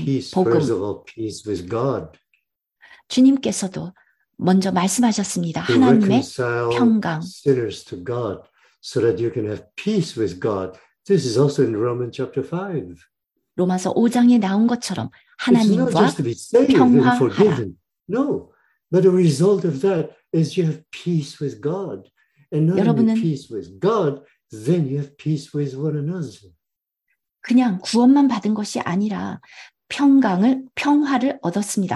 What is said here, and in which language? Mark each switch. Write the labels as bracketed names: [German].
[English] First of all, peace with God. [Korean] 주님께서도 먼저 말씀하셨습니다. 하나님의 평강. [English] Sinners to God, so that you can have peace with God. This is also in Romans chapter 5. [Korean] 로마서 5장에 나온 것처럼 하나님과 평화하라. [English] No, but the result of that is you have peace with God, and not only peace with God, then you have peace with one another. [Korean] 그냥 구원만 받은 것이 아니라 평강을 평화를 얻었습니다.